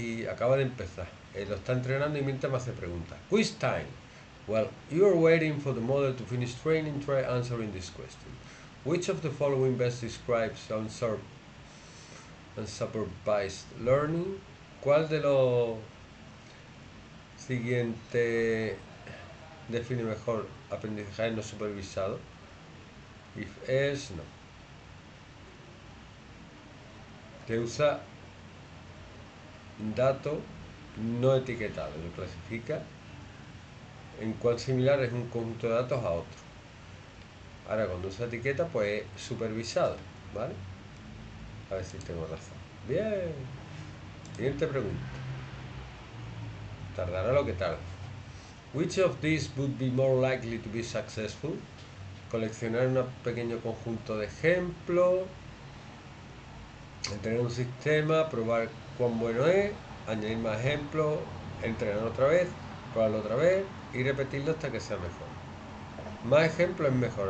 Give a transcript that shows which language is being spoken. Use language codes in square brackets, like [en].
[es] Acaba de empezar. Lo está entrenando y mientras me hace preguntas. [en] Quiz time. Well, you are waiting for the model to finish training. Try answering this question. Which of the following best describes unsupervised learning? [es] ¿Cuál de los siguientes define mejor aprendizaje no supervisado? If es, no. Que usa dato no etiquetado, lo clasifica en cuál similar es un conjunto de datos a otro. Ahora, cuando usa etiqueta, pues es supervisado, ¿vale? A ver si tengo razón. Bien. Siguiente pregunta. Tardará lo que tarde. [en] Which of these would be more likely to be successful? [es] Coleccionar un pequeño conjunto de ejemplos. Entrenar un sistema. Probar cuán bueno es. Añadir más ejemplos. Entrenar otra vez. Probarlo otra vez. Y repetirlo hasta que sea mejor. Más ejemplos es mejor.